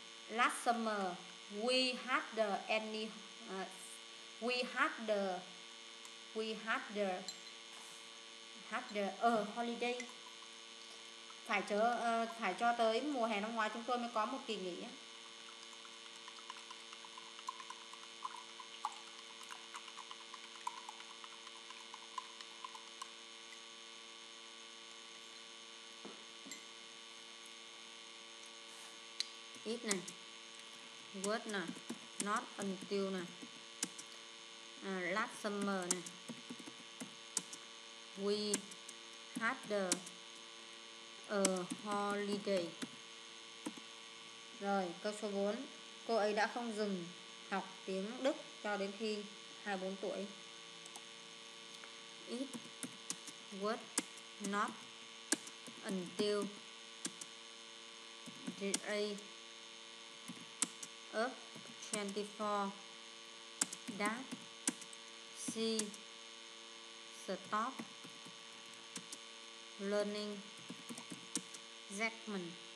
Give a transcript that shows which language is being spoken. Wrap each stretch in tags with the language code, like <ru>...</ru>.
<en>Last summer we had the any we had the holiday.</en> <vi>Phải cho tới mùa hè năm ngoái chúng tôi mới có một kỳ nghỉ.</vi> <en>It này, word này, not until này, last summer này, we had the a holiday.</en> <vi>Rồi câu số 4, cô ấy đã không dừng học tiếng Đức cho đến khi 24 tuổi.</vi> <en>It was not until the age of 24 that she stopped learning German.</en>